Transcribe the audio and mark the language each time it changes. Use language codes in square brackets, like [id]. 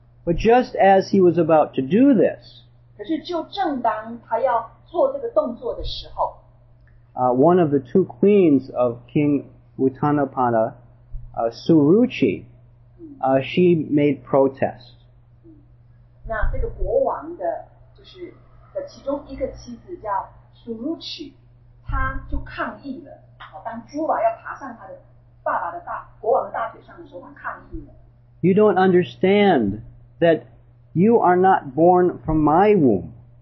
[en] But just as he was about to do this, [zh] 可是就正当他要做这个动作的时候, [en] one of the two queens of King Uttanapada, Suruchi, she made protest. [zh] 那这个国王的其中一个妻子叫Suruchi,他就抗议了,当朱瓦要爬上他的爸爸的大,国王的大腿上的时候,他抗议了。 [en] You don't understand that you are not born from my womb.